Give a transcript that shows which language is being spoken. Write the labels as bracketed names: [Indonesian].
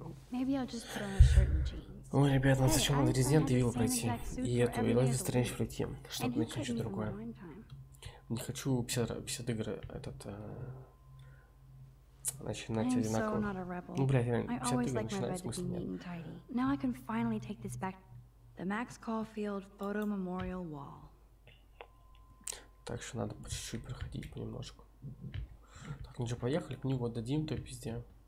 [English] Maybe I'll just put on a shirt and jeans. [Russian] Ой, ребят, ну зачем надо Resident Evil пройти? И эту и Life is Strange пройти, чтобы найти что-то другое. Не хочу 50 игр этот начинать одинаково. Ну, блядь, 50 игр начинать, смысла нет. [English] Now I can finally take this back. The Max Caulfield photo memorial wall. [Russian] Так что надо по чуть-чуть проходить понемножку. Так, ну что, поехали, книгу отдадим, то пизде.